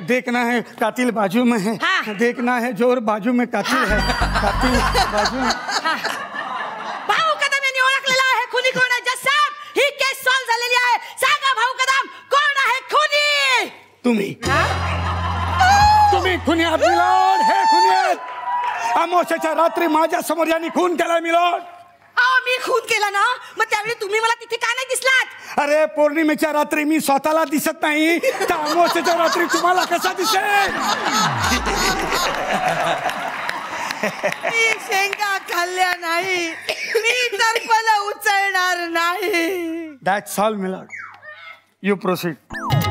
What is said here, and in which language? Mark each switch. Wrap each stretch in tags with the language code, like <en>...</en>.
<hi>देखना है कातील बाजू में है. देखना है जोर बाजू में कातील है. कातील बाजू में.</hi> <mr>भाऊ कदम यांनी ओळखलेला आहे खुनी कोण आहे. जसाब ही केस सॉल्व झालेली आहे. सांगा भाऊ कदम कोण आहे खुनी? तुम्ही तुम्ही खुनी. आपली लाड हे खुनी. अमावस्याच्या रात्री माझ्यासमोर यांनी खून केला मिलोर्ड. अहो मी खून केला ना, मग त्यावेळी तुम्ही मला तिथे का नाही दिसलात? अरे पौर्णिमेच्या रात्री मी स्वतःला दिसत नाही, तर अमावस्याच्या रात्री तुम्हाला कसा दिसेल? मी शेंगा खाल्ल्या नाही, मी तर पण उचलणार नाही.</mr> <en>That's all milord, you proceed.</en>